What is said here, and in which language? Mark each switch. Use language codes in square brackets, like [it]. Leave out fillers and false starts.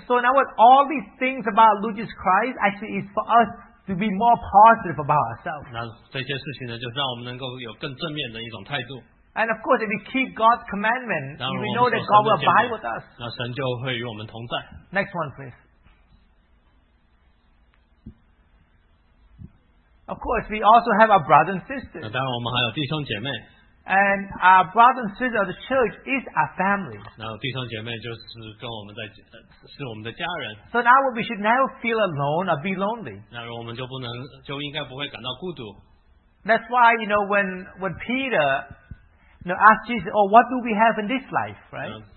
[en] So now what all these things about Lucius Christ actually is for us to be more positive about ourselves. [zh] 那这些事情呢就是让我们能够有更正面的一种态度。 [en] And of course, if we keep God's commandment, we know that God will abide with us. [zh] 那神就会与我们同在。 [en] Next one, please. Of course, we also have our brothers and sisters. [zh] 那当然我们还有弟兄姐妹。 [en] And our brothers and sisters of the church is our family. [zh] 那弟兄姐妹就是跟我们的家人。 [en] So now we should never feel alone or be lonely. [zh] 那我们就不能就应该不会感到孤独。 [en] That's why, you know, when Peter now ask Jesus, oh, what do we have in this life, right?